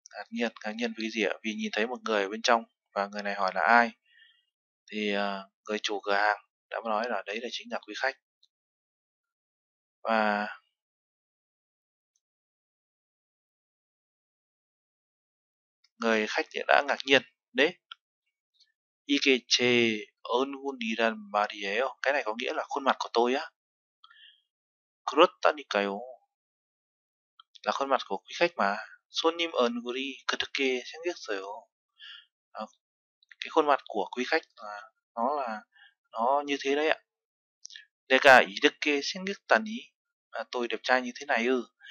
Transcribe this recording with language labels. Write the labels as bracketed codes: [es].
[vi] Ngạc nhiên vì cái gì ạ? Vì nhìn thấy một người ở bên trong, và người này hỏi là ai? Thì người chủ cửa hàng đã nói là đấy là chính là quý khách. Và người khách thì đã ngạc nhiên đấy. [ko] 이게 제 얼굴이란 말이에요. [vi] Cái này có nghĩa là khuôn mặt của tôi á. [ko] 그렇다니까요. [vi] Là khuôn mặt của quý khách mà. [ko] 손님 얼굴이 그렇게 생겼어요. [vi] Cái khuôn mặt của quý khách là nó là nó như thế đấy ạ. [ko] 내가 이렇게 생겼다니. [vi] Tôi đẹp trai như thế này ư?